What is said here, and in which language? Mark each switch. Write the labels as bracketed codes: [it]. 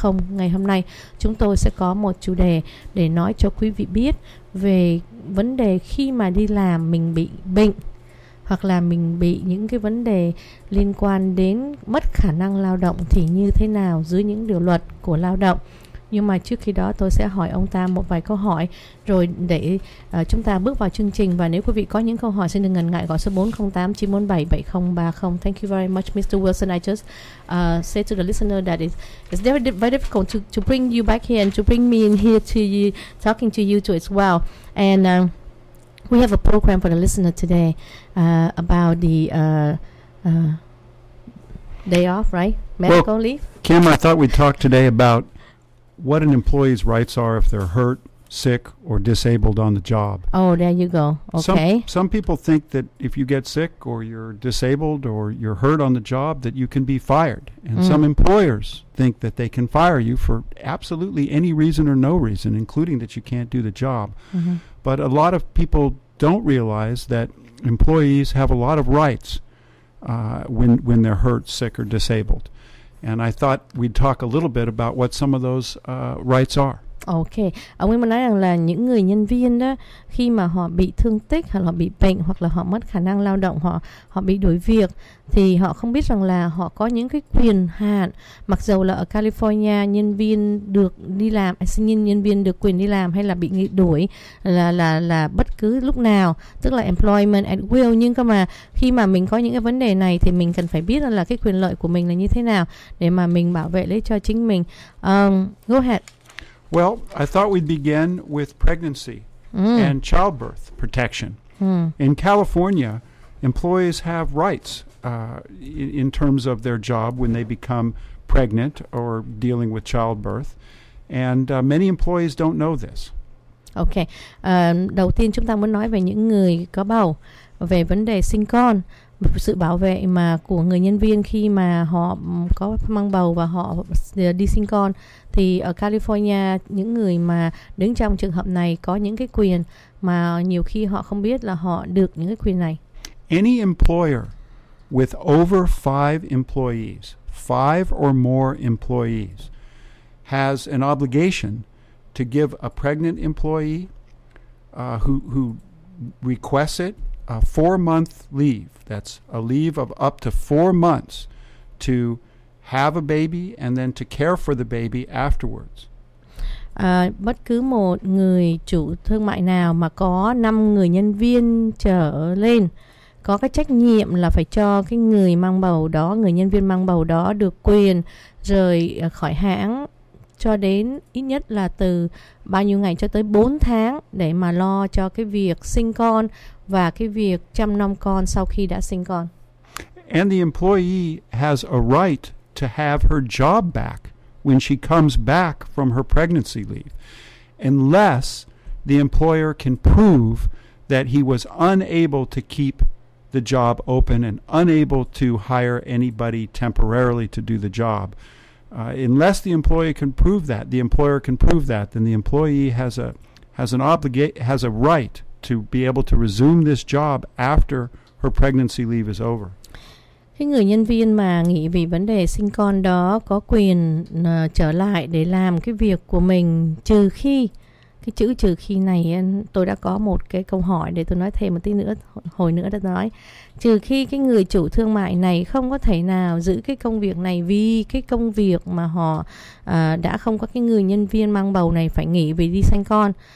[vi] Ngày hôm nay chúng tôi sẽ có một chủ đề để nói cho quý vị biết về vấn đề khi mà đi làm mình bị bệnh hoặc là mình bị những cái vấn đề liên quan đến mất khả năng lao động thì như thế nào dưới những điều luật của lao động. Nhưng mà trước khi đó tôi sẽ hỏi ông ta một vài câu hỏi rồi để chúng ta bước vào chương trình. Và nếu quý vị có những câu hỏi xin đừng ngần ngại gọi số 408-947-7030. [en] Thank you very much Mr. Wilson. I just say to the listener that it's very difficult to bring you back here and to bring me in here to you, talking to you too as well. And we have a program for the listener today about the day off, right? Medical leave? Kim, I thought we'd talk today about what an employee's rights are if they're hurt, sick, or disabled on the job. Oh, there you go. Okay. Some people think that if you get sick or you're disabled or you're hurt on the job that you can be fired. And some employers think that they can fire you for absolutely any reason or no reason, including that you can't do the job. Mm-hmm. But a lot of people don't realize that employees have a lot of rights when they're hurt, sick, or disabled. And I thought we'd talk a little bit about what some of those rights are. Okay. [vi] Ông ấy mới nói rằng là những người nhân viên đó, khi mà họ bị thương tích hoặc là họ bị bệnh hoặc là họ mất khả năng lao động, họ bị đuổi việc, thì họ không biết rằng là họ có những cái quyền hạn. Mặc dù là ở California nhân viên được đi làm, nhân viên được quyền đi làm hay là bị đuổi là bất cứ lúc nào, tức là employment at will. Nhưng mà khi mà mình có những cái vấn đề này thì mình cần phải biết là cái quyền lợi của mình là như thế nào để mà mình bảo vệ lấy cho chính mình. [en] Go ahead. Well, I thought we'd begin with pregnancy and childbirth protection. In California, employees have rights in terms of their job when they become pregnant or dealing with childbirth. And many employees don't know this. Okay. [vi] Đầu tiên chúng ta muốn nói về những người có bầu, về vấn đề sinh con, sự bảo vệ mà của người nhân viên khi mà họ có mang bầu và họ đi sinh con. Thì ở California, những người mà đứng trong trường hợp này có những cái quyền mà nhiều khi họ không biết là họ được những cái quyền này. [en] Any employer with over 5 employees, 5 or more employees, has an obligation to give a pregnant employee who requests it a 4-month leave. That's a leave of up to 4 months to have a baby and then to care for the baby afterwards. [vi] Bất cứ một người chủ thương mại nào mà có 5 người nhân viên trở lên có cái trách nhiệm là phải cho cái người mang bầu đó, người nhân viên mang bầu đó được quyền rời khỏi hãng cho đến ít nhất là từ bao nhiêu ngày cho tới 4 tháng để mà lo cho cái việc sinh con và cái việc chăm nom con sau khi đã sinh con. [en] And the employee has a right to have her job back when she comes back from her pregnancy leave, unless the employer can prove that he was unable to keep the job open and unable to hire anybody temporarily to do the job. Unless the employee can prove that, the employer can prove that, then the employee has a right to be able to resume this job after her pregnancy leave is over. [vi] Cái người nhân viên mà nghỉ vì vấn đề sinh con đó có quyền trở lại để làm cái việc của mình trừ khi, cái chữ trừ khi này tôi đã có một cái câu hỏi để tôi nói thêm một tí nữa, hồi nữa đã nói. Trừ khi cái người chủ thương mại này không có thể nào giữ cái công việc này vì cái công việc mà họ đã không có cái người nhân viên mang bầu này phải nghỉ vì đi sinh con.